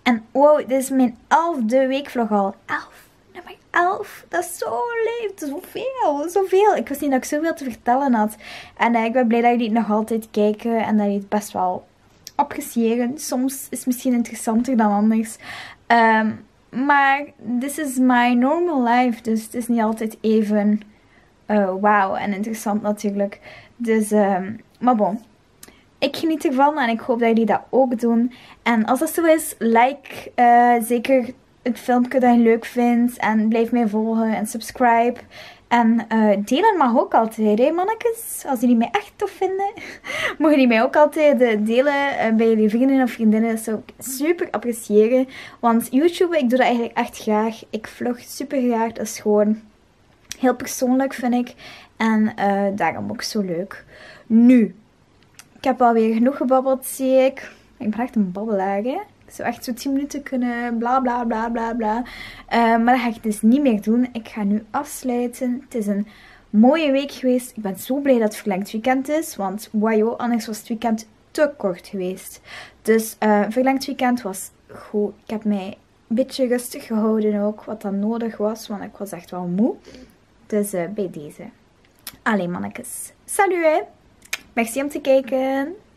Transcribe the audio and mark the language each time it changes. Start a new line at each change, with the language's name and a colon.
Dutch: En wow, dit is mijn 11e weekvlog al. 11. Nummer 11. Dat is zo leuk. Zoveel. Zoveel. Ik wist niet dat ik zoveel te vertellen had. En ik ben blij dat jullie het nog altijd kijken. En dat jullie het best wel appreciëren. Soms is het misschien interessanter dan anders. Maar
English: this is my normal life.
Dutch: Dus het is niet altijd even wauw en interessant natuurlijk. Dus, maar bon. Ik geniet ervan en ik hoop dat jullie dat ook doen. En als dat zo is, like zeker het filmpje dat je leuk vindt. En blijf mij volgen en subscribe. En delen mag ook altijd, hè, mannetjes. Als jullie mij echt tof vinden, mogen jullie mij ook altijd delen bij jullie vrienden of vriendinnen. Dat zou ik super appreciëren. Want YouTube, ik doe dat eigenlijk echt graag. Ik vlog super graag. Dat is gewoon heel persoonlijk, vind ik. En daarom ook zo leuk. Nu, ik heb alweer genoeg gebabbeld, zie ik. Ik ben echt een babbelaar, hè. Ik zou echt zo 10 minuten kunnen, bla bla bla bla bla. Maar dat ga ik dus niet meer doen. Ik ga nu afsluiten. Het is een mooie week geweest. Ik ben zo blij dat het verlengd weekend is. Want wajo, anders was het weekend te kort geweest. Dus verlengd weekend was goed. Ik heb mij een beetje rustig gehouden ook, wat dan nodig was. Want ik was echt wel moe. Dus bij deze. Allee mannetjes. Salut hè. Merci om te kijken.